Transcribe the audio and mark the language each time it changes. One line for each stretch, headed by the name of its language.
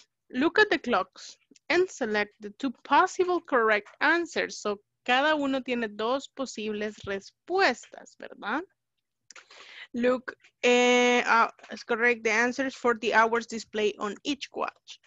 English: Look at the clocks and select the two possible correct answers.
Spanish: So cada uno tiene dos posibles respuestas, ¿verdad?
English: Look correct the answers for the hours displayed on each watch.